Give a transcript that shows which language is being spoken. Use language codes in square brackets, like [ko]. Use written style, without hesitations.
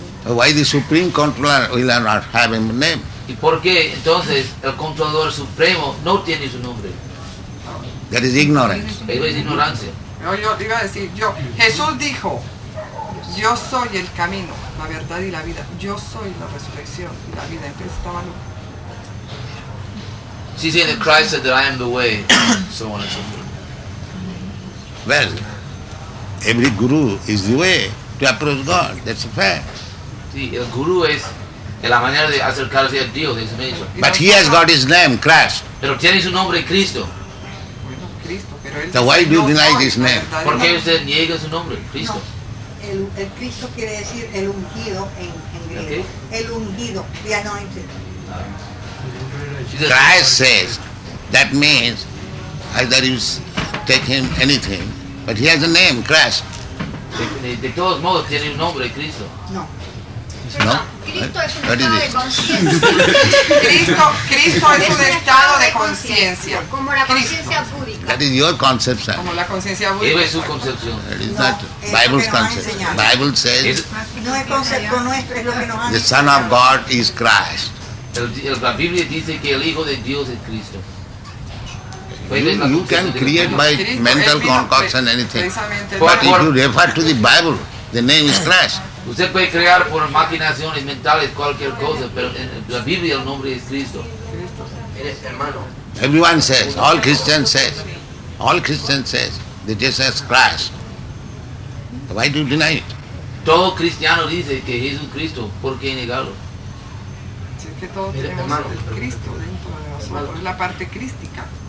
[en] Why the supreme controller will not have a name? [es] ¿Y por qué entonces el controlador supremo no tiene su nombre? [en] That is ignorance. [es] Eso es ignorancia. Yo iba a decir, Jesús dijo, yo soy el camino, la verdad y la vida. Yo soy la resurrección y la vida. Entonces estaba loco. [en] She's saying that Christ said that I am the way, so on and so forth. Well, every guru is the way to approach God. That's a fact. [es] Sí, el guru es la manera de acercarse a Dios, es un hecho. [en] But he has got his name, Christ. [es] Pero tiene su nombre, Cristo. Bueno, Cristo, pero él. [en] So why do you deny this name? [es] ¿Por qué usted niega su nombre, Cristo? El Cristo quiere decir el ungido en griego. El ungido, [en] the anointed. Christ says, that means, either you take him anything, but he has a name, Christ. [es] De todos modos, tiene un nombre, Cristo. No. No. Cristo es un estado de conciencia. Cristo es un estado de conciencia. Como la conciencia [en] búdica. That is your conception. [es] Como la conciencia búdica. Eso es su concepción. [en] It is not Bible's concept. Bible says. [es] No es concepto nuestro, es lo que nos han. [en] The Son of God is Christ. [es] La Biblia dice que el Hijo de Dios es Cristo. [en] You can create by mental concoction anything, but if you refer to the Bible, the name is Christ. [es] Usted puede crear por maquinaciones mentales cualquier cosa, pero en la Biblia el nombre es Cristo. Eres hermano. [en] Everyone says, all Christians say, that Jesus is Christ. Why do you deny it? [es] Todo cristiano dice que Jesús Cristo, ¿por qué negarlo? Si es que todos tenemos el Cristo dentro de nosotros, es la parte crística.